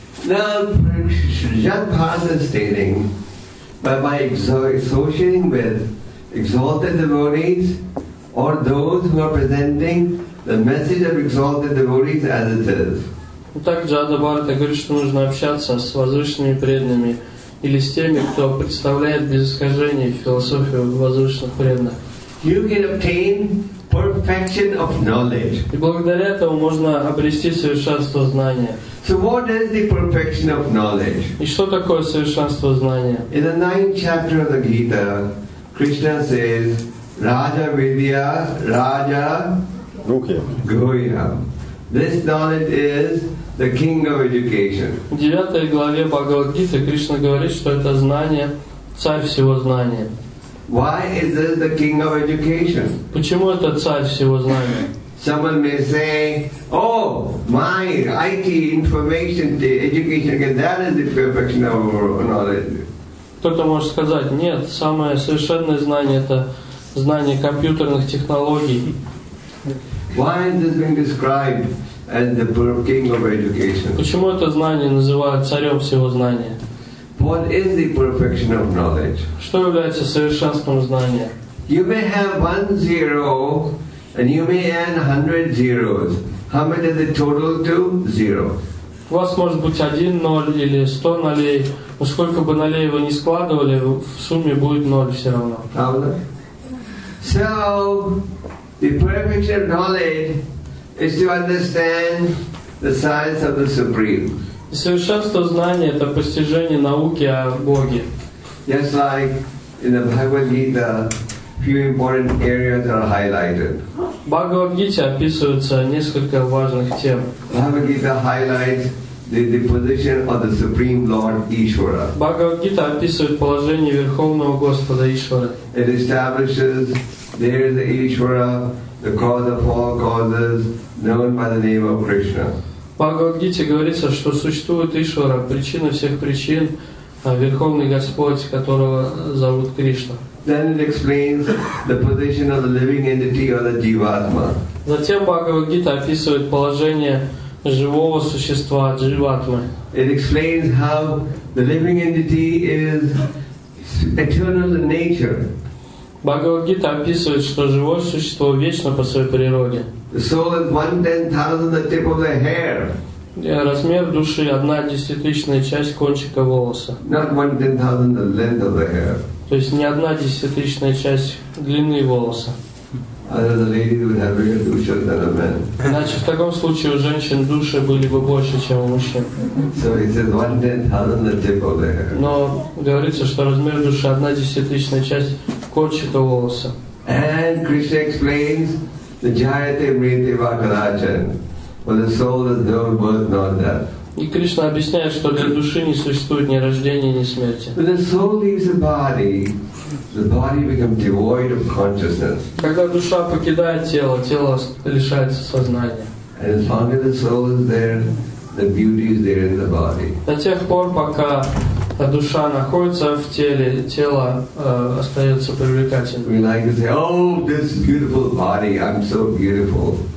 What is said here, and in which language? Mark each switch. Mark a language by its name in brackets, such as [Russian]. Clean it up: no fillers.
[English] Now, Jad Bharat is stating, by associating with exalted devotees or those who are presenting the message of exalted devotees as it is. [Russian] Так Джада Бхарата говорит, что нужно общаться с возвышенными преданными или с теми, кто представляет без искажений философию возвышенных преданных. [English] You can obtain perfection of knowledge. [Russian] И благодаря этому можно обрести совершенство знания. [English] So what is the perfection of knowledge? [Russian] И что такое совершенство знания? [English] In the 9th chapter of the Gita, Krishna says, Raja Vidya, Raja Guhya. This knowledge is the king of education. [Russian] В 9 главе Бхагавад Гиты Кришна говорит, что это знание царь всего знания. [English] Why is this the king of education? [Russian] Почему это царь всего знания? [English] Someone may say, "Oh, my IT information education, that is the perfection of knowledge." [Russian] Кто-то может сказать: "Нет, самое совершенное знание это знание компьютерных технологий." [English] Why is this being described as the king of education? [Russian] Почему это знание называют царем всего знания? [English] What is the perfection of knowledge? [Russian] Что является совершенством знания? [English] You may have 1 0 and you may add 100 zeros. How much is the total to 0? [Russian] У вас может быть 1 0 или 100 нолей, но сколько бы нолей вы ни складывали, в сумме будет 0 все равно. Правда? [English] So, the perfection of knowledge is to understand the science of the Supreme. [Russian] Совершенство знания — это постижение науки о Боге. [English] Just like in the Bhagavad Gita, few important areas are highlighted. [Russian] В Бхагавад Гите описываются несколько важных тем. [English] Bhagavad Gita highlights the position of the Supreme Lord Ishvara. [Russian] Бхагавад Гита описывает положение Верховного Господа Ишвара. [English] It establishes there is the Ishvara, the cause of all causes, known by the name of Krishna. [Russian] В Бхагавад-гите говорится, что существует Ишвара, причина всех причин, Верховный Господь, которого зовут Кришна. [English] Then it explains the position of the living entity or the Jivatma. [Russian] Затем Бхагавад-гита описывает положение живого существа, Дживатмы. [English] It explains how the living entity is eternal in nature. [Russian] Бхагавад-гита описывает, что живое существо вечно по своей природе. [English] The soul is 1/10,000 the tip of the hair. [Russian] Размер души — 1/10,000 часть кончика волоса. [English] Not 1/10,000 the length of the hair. [Russian] То есть не 1/10,000 часть длины волоса. [English] Other the ladies would have bigger dushas than a man. [Russian] Значит, в таком случае у женщин души были бы больше, чем у мужчин. [English] So it says 1/10,000 the tip of the hair. [Russian] Но говорится, что размер души — 1/10,000 часть кончика волоса. [English] And Krishna explains the [Sanskrit] jayate mrityu vakarachan, [English] for the soul is no birth nor death. [Russian] И Кришна объясняет, что для души не существует ни рождения, ни смерти. [English] When the soul leaves the body becomes devoid of consciousness. [Russian] Когда душа покидает тело, тело лишается сознания. [English] And as long as the soul is there, the beauty is there in the body. [Russian] До тех пор, пока душа находится в теле, тело остается привлекательным. [English] We like to say, "Oh, this beautiful body, I'm so beautiful."